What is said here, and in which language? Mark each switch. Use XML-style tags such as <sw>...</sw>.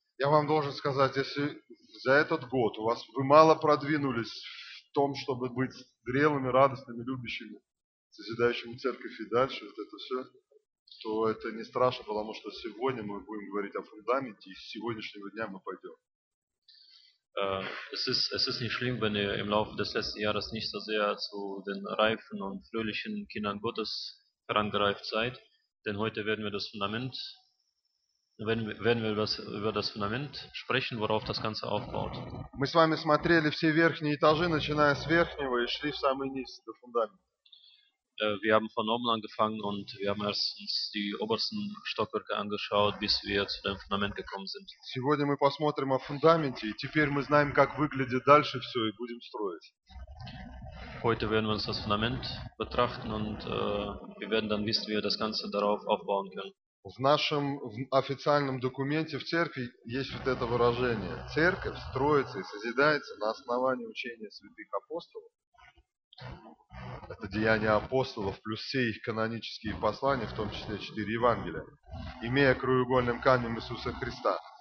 <ru>Я вам должен сказать, если за этот год у вас вы мало продвинулись в том, чтобы быть зрелыми, радостными, любящими, созидающими церковь и дальше, вот это все, то это не страшно, потому что сегодня мы будем говорить о фундаменте, и с сегодняшнего дня мы пойдем.</ru> <de>Es ist nicht schlimm, wenn ihr im Laufe des letzten Jahres nicht so sehr zu den reifen und fröhlichen Kindern Gottes herangereift seid, denn heute werden wir über das Fundament sprechen, worauf das Ganze aufbaut.</de> <ru>Мы с вами смотрели все верхние этажи, начиная с верхнего, и шли в самый низ до фундамента.</ru> <de>Wir haben von oben angefangen und wir haben erstens die obersten Stockwerke angeschaut, bis wir zu dem Fundament gekommen sind.</de> <ru>Сегодня мы посмотрим о фундаменте, и теперь мы знаем, как выглядит дальше все, и будем строить.</ru> <de>Heute werden wir uns das Fundament betrachten, und wir werden dann wissen, wie wir das Ganze darauf aufbauen können.</de> <ru>В нашем официальном документе в церкви есть вот это выражение: «Церковь строится и созидается на основании учения святых апостолов». Это деяния апостолов плюс все их канонические послания, в том числе четыре Евангелия, имея краеугольным камнем Иисуса Христа.</ru>